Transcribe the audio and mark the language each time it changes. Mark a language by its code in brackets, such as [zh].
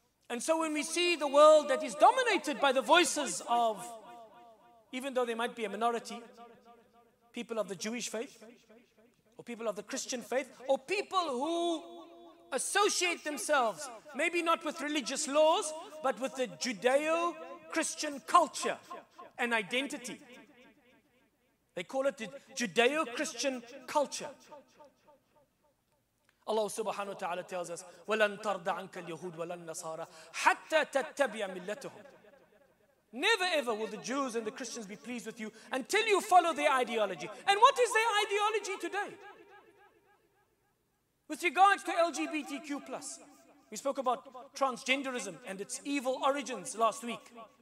[en] And so when we see the world that is dominated by the voices of, even though they might be a minority, people of the Jewish faith, or people of the Christian faith, or people who associate themselves, maybe not with religious laws, but with the Judeo-Christian culture and identity. They call it the Judeo-Christian culture. Allah subhanahu wa ta'ala tells us, [ar] وَلَن تَرْضَ عَنْكَ الْيَهُودُ وَلَن نَصَارَ حَتَّى تَتَّبِعَ مِلَّتَهُمْ. [en] Never ever will the Jews and the Christians be pleased with you until you follow their ideology. And what is their ideology today? With regards to LGBTQ+, we spoke about transgenderism and its evil origins last week.